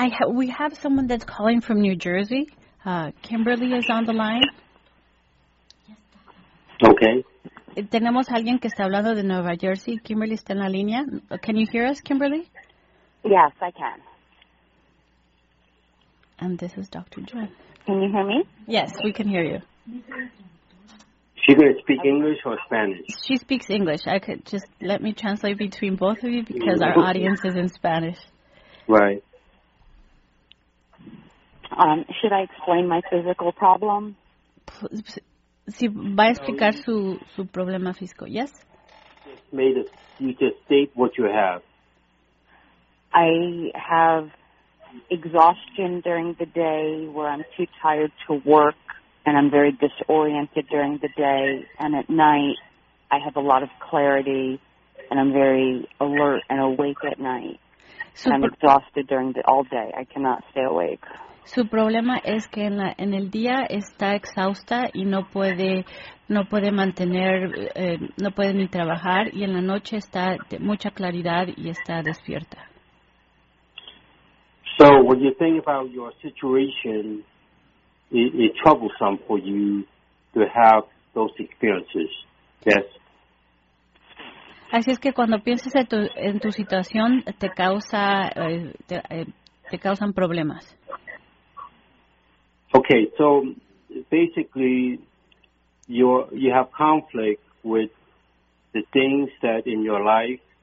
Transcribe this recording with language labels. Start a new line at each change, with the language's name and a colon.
English: We have someone that's calling from New Jersey. Kimberly is on the line. Okay.
Spanish: Tenemos a alguien que está hablando de Nueva Jersey. Kimberly está en la línea.
English: Can you hear us, Kimberly? Yes, I can. And this is Dr. Joan. Can you hear me? Yes, we can hear you. She going to speak English or Spanish? She speaks English. I could just let me translate between both of you because our audience is in Spanish. Right. Should I explain my physical problem?
Spanish: Si va a explicar su problema físico, yes?
English: You just state what you have. I have exhaustion during the day where I'm too tired to work and I'm very disoriented during the day, and at night I have a lot of clarity and I'm very alert and awake at night. And I'm exhausted during the all day. I cannot stay awake.
Spanish: Su problema es que en el día está exhausta y no puede mantener, no puede ni trabajar, y en la noche está de mucha claridad y está despierta.
English: So when you think about your situation, it's troublesome for you to have those experiences. Yes.
Spanish: Así es que cuando piensas en tu situación, te causan problemas.
English: Okay, so basically, you have conflict with the things that in your life.